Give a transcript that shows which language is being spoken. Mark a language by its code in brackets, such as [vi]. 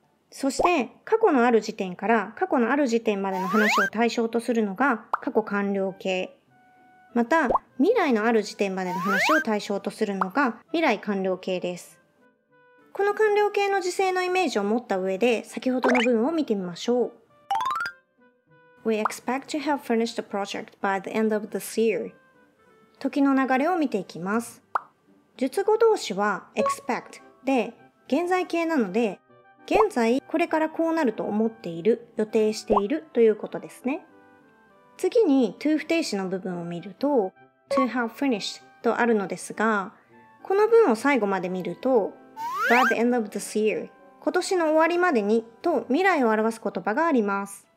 [ja] そして、過去のある時点から過去のある時点までの話を対象とするのが過去完了形。また、未来のある時点までの話を対象とするのが未来完了形です。この完了形の時制のイメージを持った上で、先ほどの文を見てみましょう。 [en] We expect to have finished the project by the end of this year. [ja] 時の流れを見ていきます。述語動詞は expect で現在形なので、現在これからこうなると思っている、予定しているということですね。次に to 不定詞の部分を見ると [en] to have finished [ja] とあるのですが、この文を最後まで見ると [en] by the end of this year [ja] 今年の終わりまでにと未来を表す言葉があります。